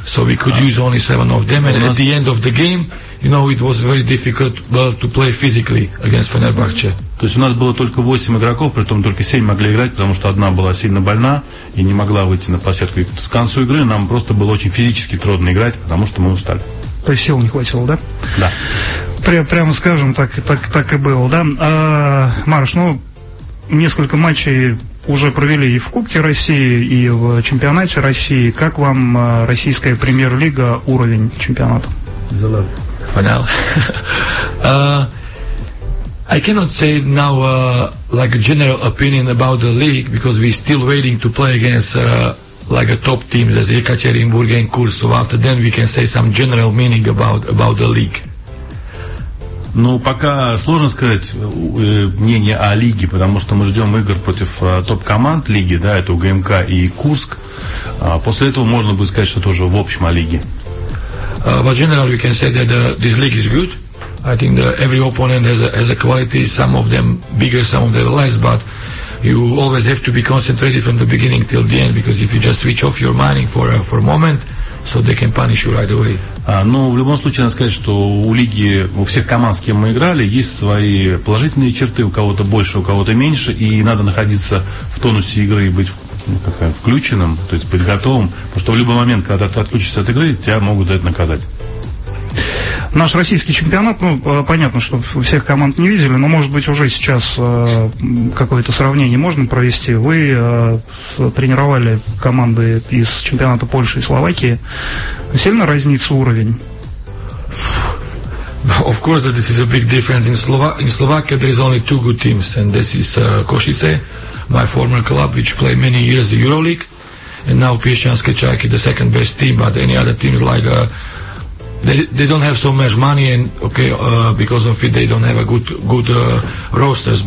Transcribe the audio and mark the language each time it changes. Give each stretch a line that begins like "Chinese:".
English: So we could use only 7 of them. And at the end of the game, you know, it was very difficult to play physically against Fenerbahce.
Russian: То есть у нас было только 8 игроков, при том только 7 могли играть, потому что одна была сильно больна и не могла выйти на площадку. И к концу игры нам просто было очень физически трудно играть, потому что мы устали. То есть сил не хватило, да? Да. Прямо скажем, так и было, да? Марш, ну, несколько матчей уже провели и в Кубке России, и в чемпионате России. Как вам российская премьер-лига, уровень чемпионата? Залад. Понял.
English: I cannot say now like a general opinion about the league, because we're still waiting to play against like a top teams as Ekaterinburg and Kursk. So after then we can say some general meaning about the league.
Russian: Ну, пока сложно сказать мнение о лиге, потому что мы ждем игр против топ-команд лиги, да, это УГМК и Курск. После этого можно будет сказать что-то уже в общем о лиге.
English: But generally we can say that this league is good. I think that every opponent has a quality, some of them bigger, some of them less, but you always have to be concentrated from the beginning till the end, because if you just switch off your mind for a moment, so they can punish you right away.
Russian: Ну, в любом случае, надо сказать, что у лиги, у всех команд, с кем мы играли, есть свои положительные черты, у кого-то больше, у кого-то меньше, и надо находиться в тонусе игры и быть включенным, то есть быть готовым, потому что в любой момент, когда ты отключишься от игры, тебя могут за это наказать. Наш российский чемпионат, ну, понятно, что всех команд не видели, но, может быть, уже сейчас какое-то сравнение можно провести. Вы тренировали команды из чемпионата Польши и Словакии. Сильно разнится уровень?
English: Of course, this is a big difference. In Slovakia there is only two good teams, and this is Košice, my former club, which played many years the Euroleague, and now Piešťanské Čajky, the second best team, but any other teams like they don't have so much money, and okay, because of it they don't have a good rosters.